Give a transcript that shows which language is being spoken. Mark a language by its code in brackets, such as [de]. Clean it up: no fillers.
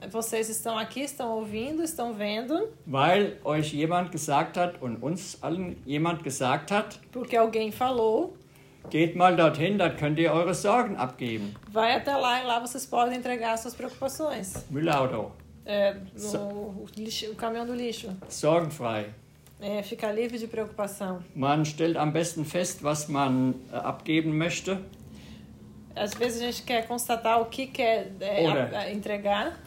[pt] Vocês estão aqui, estão ouvindo, estão vendo. [de] Weil euch jemand gesagt hat und uns allen jemand gesagt hat. [pt] Porque alguém falou. [de] Geht mal dorthin, dort könnt ihr eure Sorgen abgeben. [pt] Vai até lá e lá vocês podem entregar suas preocupações. [de] Müllauto. [pt] O caminhão do lixo. [de] Sorgenfrei. [pt] Ficar livre de preocupação. [de] Man stellt am besten fest, was man abgeben möchte. [pt] Às vezes a gente quer constatar o que quer entregar.